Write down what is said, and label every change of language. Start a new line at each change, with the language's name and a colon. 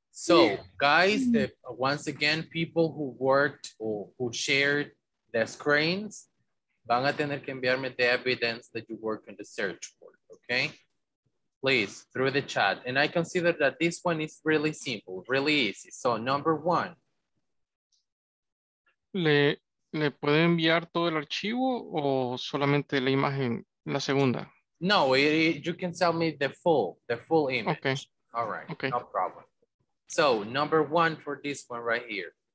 English: So, guys, once again, people who worked or who shared the screens,
Spanish: van a tener que enviarme
English: the evidence that you work in the search board. Okay, please, through the chat. And I consider that this one is really simple, really easy. So number one.
Spanish: ¿Le puede enviar todo el archivo o solamente la imagen, la segunda?
English: No, you can send me the full image. Okay. All right, okay. No problem. So number one for this one right here.